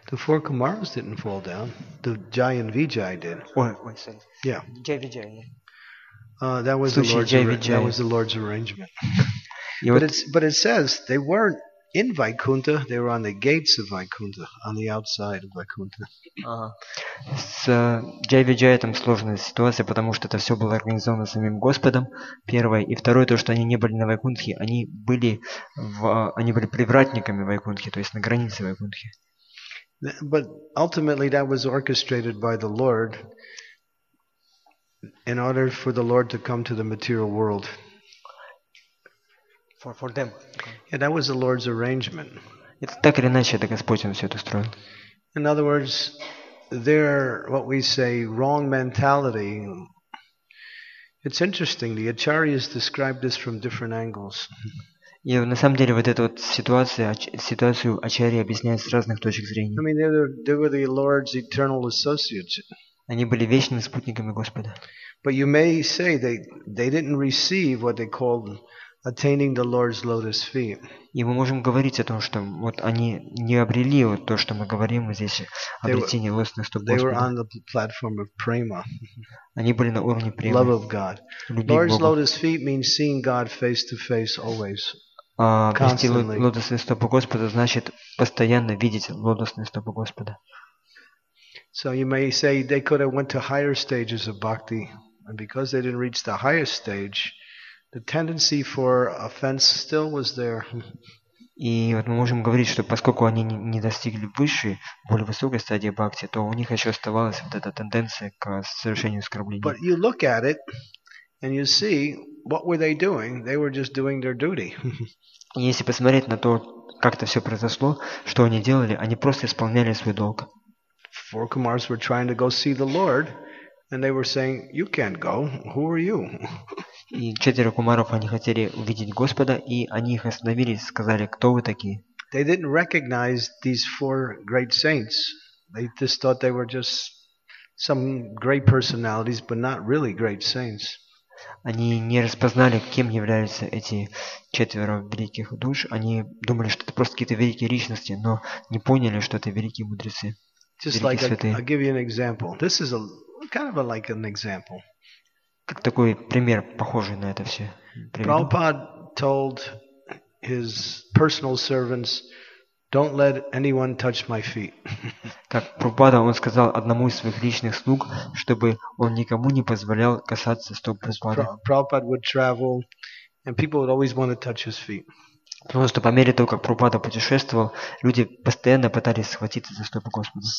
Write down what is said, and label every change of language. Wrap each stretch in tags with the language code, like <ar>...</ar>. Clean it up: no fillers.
<en>The four kumaras didn't fall down. The Jayan Vijay did. Wait, sorry. Yeah. Jay Vijay. That was the Lord's that was the Lord's arrangement. but it says they weren't in Vaikuntha, they were on the gates of Vaikuntha, on the outside of Vaikuntha.</en> <ru>С Джай-Виджая там сложная ситуация, потому что это все было организовано самим Господом, первое. И второе, то, что они не были на Вайкунтхе, они были привратниками Вайкунтхи, то есть на границе Вайкунтхи.</ru> <en>But ultimately that was orchestrated by the Lord in order for the Lord to come to the material world. For them. Yeah, that was the Lord's arrangement.</en> <ru>Это так или иначе, это Господь им все это устроил.</ru> <en>In other words, their, what we say, wrong mentality. It's interesting, the Acharyas describe this from different angles.</en> <ru>И на самом деле вот эта вот ситуацию Ачарьи объясняют с разных точек зрения.</ru> <en>I mean, they were the Lord's eternal associates.</en> <ru>Они были вечными спутниками Господа.</ru> <en>But you may say they didn't receive what they called attaining the Lord's lotus feet.</en> <ru>И мы можем говорить о том, что вот они не обрели вот то, что мы говорим здесь, обретение лотосных стоп Господа.</ru> <en>They were on the platform of prema.</en> <ru>Они были на уровне премы.</ru> <en>Love of God. Lord's lotus feet means seeing God face to face always.</en> <ru>Обрести лотосные стопы Господа значит постоянно видеть лотосные стопы Господа.</ru> <en>So you may say they could have went to higher stages of bhakti, and because they didn't reach the highest stage, the tendency for offense still was there.</en> <ru>И вот мы можем говорить, что поскольку они не достигли высшей, более высокой стадии бхакти, то у них еще оставалась вот эта тенденция к совершению оскорблений.</ru> <en>But you look at it and you see what were they doing? They were just doing their duty.</en> <ru>Если посмотреть на то, как это все произошло, что они делали, они просто исполняли свой долг.</ru> <en>Four kumars were trying to go see the Lord, and they were saying, "You can't go. Who are you?"</en> <ru>И четверо кумаров они хотели увидеть Господа, и они их остановились, сказали, "Кто вы такие?"</ru> <en>They didn't recognize these four great saints. They just thought they were just some great personalities, but not really great saints.</en> <ru>Они не распознали, кем являются эти четверо великих душ. Они думали, что это просто какие-то великие личности, но не поняли, что это великие мудрецы.</ru> <en>Just like I'll give you an example. This is a kind of a, like an example.</en> <ru>Как такой пример, похожий на это все.</ru> <en>Prabhupada told his personal servants, "Don't let anyone touch my feet."</en> <ru>Как Прабхупада, он сказал одному из своих личных слуг, чтобы он никому не позволял касаться стоп Прабхупады.</ru> <en>Prabhupada would travel, and people would always want to touch his feet.</en> <ru>Потому что по мере того, как Прабхупада путешествовал, люди постоянно пытались схватиться за стопы Господа.</ru>